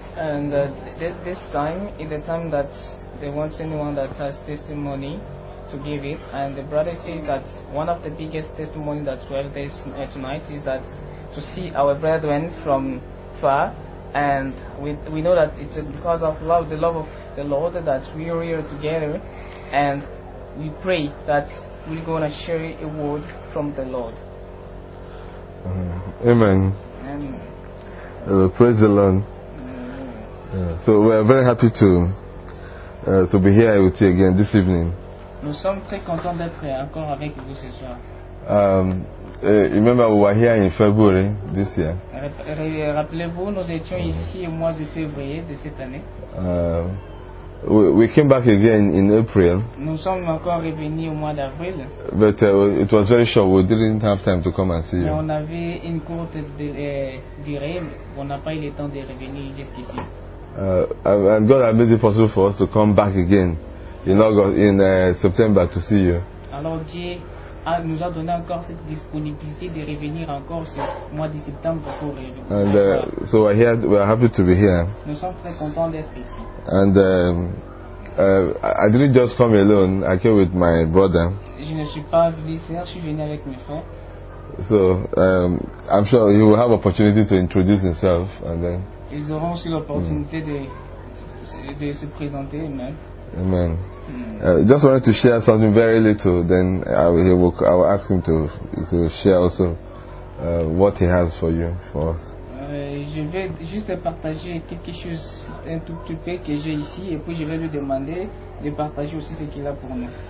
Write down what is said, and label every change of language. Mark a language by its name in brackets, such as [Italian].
[English] And this time, in the time that they want anyone that has testimony to give it, and the brother says that one of the biggest testimonies that we have this tonight is that to see our brethren from far, and we know that it's because of love, the love of the Lord, that we are here together and we pray that. We're going to share a word from the Lord. Amen. Amen. Praise the Lord. Yeah, so we're very happy to be here with you again this evening. [French] Nous sommes très contents d'être encore avec vous ce soir. [English] Remember we were here in February this year. [French] Rappelez-vous, nous étions ici au mois de février de cette année. [English] We came back again in April. [French] Nous sommes encore revenus au mois d'avril. [English] But it was very short. We didn't have time to come and see you. [French] Mais on avait une courte durée. On n'a pas eu le temps de revenir jusqu'ici. [English] And God has made it possible for us to come back again in August, in September, to see you. [French] Alors Dieu nous a donné encore cette disponibilité de revenir encore ce mois de septembre pour revenir. [English] And so we're here. We're happy to be here. [French] Nous sommes très contents d'être ici. [English] And I didn't just come alone. I came with my brother. [French] Je ne suis pas venu seul. Je suis venu avec mes frères. [English] So I'm sure he will have opportunity to introduce himself, and then. [French] Ils auront aussi l'opportunité de se présenter eux-mêmes. [English] Amen. Just wanted to share something very little. Then I will ask him to share also what he has for you for us. [French] Je vais juste partager quelque chose un tout petit peu que j'ai ici et puis je vais lui demander de partager aussi ce qu'il a pour nous.